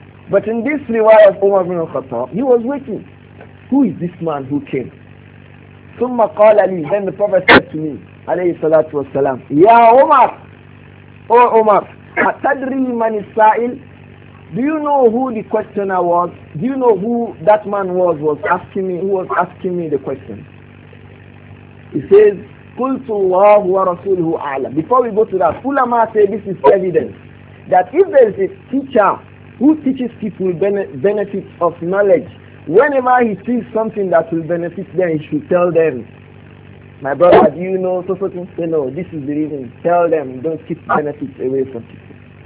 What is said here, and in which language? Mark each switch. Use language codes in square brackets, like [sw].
[en] But in this riwayah of Umar ibn al-Khattab, he was waiting. Who is this man who came? [ar] Summa qala li. [en] Then the Prophet said to me, [ar] alayhi salatu wasalam, ya Umar, [en] oh Umar, [ar] atadri man is sa'il, [en] Do you know who the questioner was? Do you know who that man was asking me, who was asking me the question? He says, [ar] قُلْتُ اللَّهُ وَرَسُولُهُ أَعْلَمُ. [en] Before we go to that, ulama say this is evidence that if there is a teacher who teaches people benefits of knowledge, whenever he sees something that will benefit them, he should tell them. My brother, do you know so certain? Say no, this is the reason. Tell them, don't keep benefits away from people.